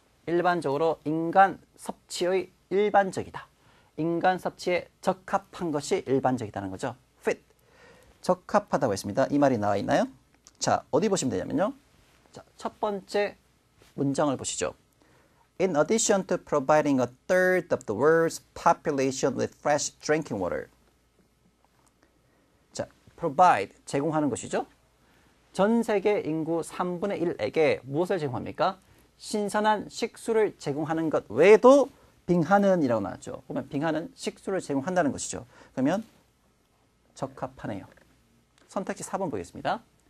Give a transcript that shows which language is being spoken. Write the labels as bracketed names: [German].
[Korean] 일반적으로 인간 섭취의 일반적이다. 인간 섭취에 적합한 것이 일반적이다는 거죠. fit. 적합하다고 했습니다. 이 말이 나와 있나요? 자, 어디 보시면 되냐면요. 자, 첫 번째 문장을 보시죠. [English] In addition to providing a third of the world's population with fresh drinking water. [Korean] 자, provide, 제공하는 것이죠. 전 세계 인구 3분의 1에게 무엇을 제공합니까? 신선한 식수를 제공하는 것 외에도 빙하는이라고 나왔죠. 그러면 빙하는 식수를 제공한다는 것이죠. 그러면 적합하네요. 선택지 4번 보겠습니다.